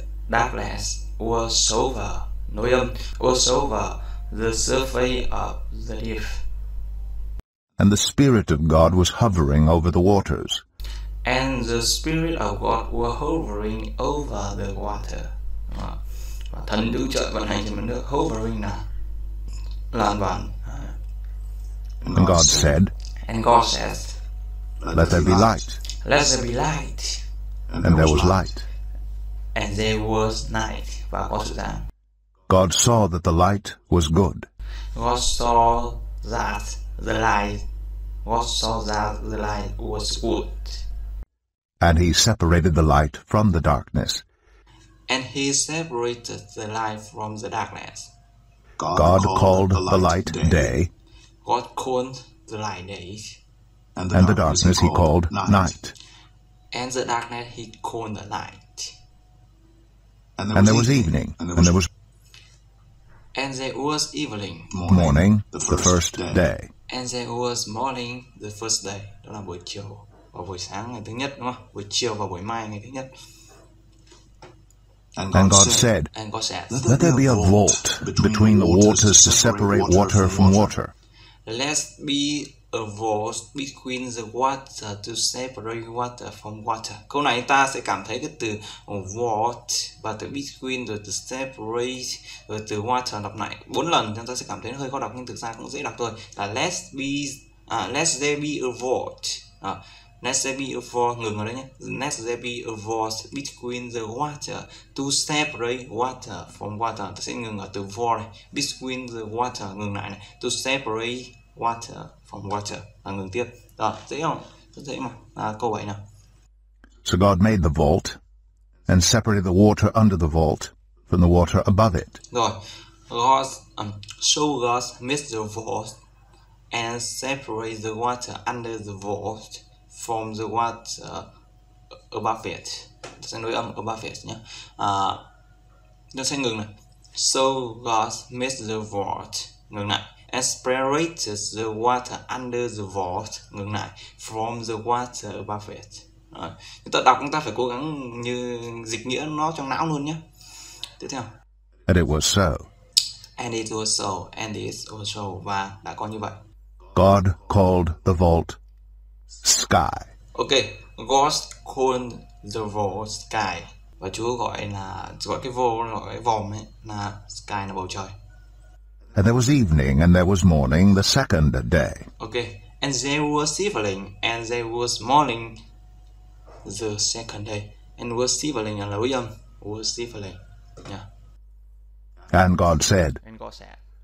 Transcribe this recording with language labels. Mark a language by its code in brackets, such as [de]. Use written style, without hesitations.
[en] Darkness was over, [vi] nội âm, [en] was over the surface of the deep. And the Spirit of God was hovering over the waters. And the Spirit of God was hovering over the water. [vi] Và thần Đức Chúa Trời vận hành trên mặt nước, hovering là lan vàng. [en] And God said, and God said, let there be light. Let there be light. And there was light. And there was night. [vi] Và có sự sáng. [en] God saw that the light was good. God saw that the light. God saw that the light was good. And he separated the light from the darkness. And he separated the light from the darkness. God called the light day. God called the light day. And the darkness he called night. And the darkness he called the night. And there was evening, and there was and there was evening, morning, the first day. And there was morning, the first day. [vi] Đó là buổi chiều và buổi sáng ngày thứ nhất, đúng không? Buổi chiều và buổi mai ngày thứ nhất. [en] And God said, and God said, let there be a vault between the waters to separate water from water. Let be a vault between the water to separate water from water. [vi] Câu này ta sẽ cảm thấy cái từ vault và từ between rồi từ separate rồi từ water đọc lại 4 lần, chúng ta sẽ cảm thấy hơi khó đọc nhưng thực ra cũng dễ đọc thôi. [en] Là let there be a vault. Let there be a vault, [vi] ngừng ở đây nhé. [en] Let there be a vault between the water to separate water from water. [vi] Ta sẽ ngừng ở từ [en] vault between the water, [vi] ngừng lại này. [en] To separate water from water, [vi] và ngừng tiếp. Đó, dễ không? Rất dễ mà. À, câu 7 nào. [en] So God made the vault and separated the water under the vault from the water above it. [vi] Rồi. [en] So God made the vault and separated the water under the vault from the water above it. [vi] Tôi sẽ nối âm above it nhé. Nó sẽ ngừng này. [en] So God made the vault. [vi] Ngừng lại. [en] And separated the water under the vault, [vi] ngừng lại, [en] from the water above it. [vi] Chúng ta đọc chúng ta phải cố gắng như dịch nghĩa nó trong não luôn nhé. Tiếp theo. [en] And it was so. And it was so. And it was so. [vi] Và đã có như vậy. [en] God called the vault sky. Ok. God called the vault sky. [vi] Và Chúa gọi là, gọi cái vault, gọi cái vòm ấy, là sky, là bầu trời. [en] And there was evening, and there was morning, the second day. Okay. And there was evening, and there was morning, the second day. And was evening, and William was evening. Yeah. And God said, and God said,